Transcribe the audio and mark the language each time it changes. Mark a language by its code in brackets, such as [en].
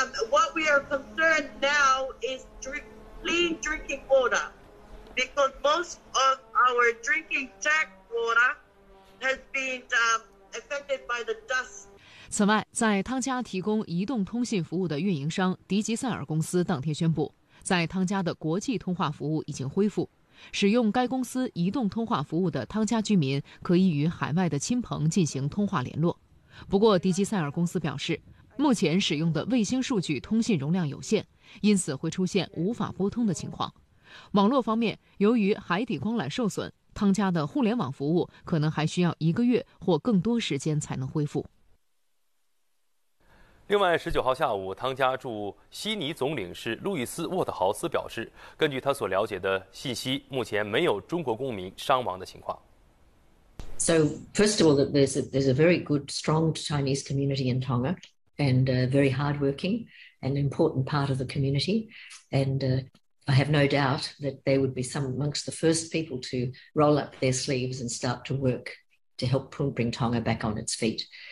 [en] What we are concerned now is clean drinking water, because most of our drinking tap water has been affected by the dust. [zh] 此外，在汤加提供移动通信服务的运营商迪吉塞尔公司当天宣布，在汤加的国际通话服务已经恢复，使用该公司移动通话服务的汤加居民可以与海外的亲朋进行通话联络。不过，迪吉塞尔公司表示，目前使用的卫星数据通信容量有限，因此会出现无法拨通的情况。网络方面，由于海底光缆受损，汤加的互联网服务可能还需要一个月或更多时间才能恢复。另外，19号下午，汤加驻悉尼总领事路易斯·沃特豪斯表示，根据他所了解的信息，目前没有中国公民伤亡的情况。 [en] So first of all, that there's a very good, strong Chinese community in Tonga, and very hardworking, an important part of the community, and I have no doubt that they would be some amongst the first people to roll up their sleeves and start to work to help bring Tonga back on its feet.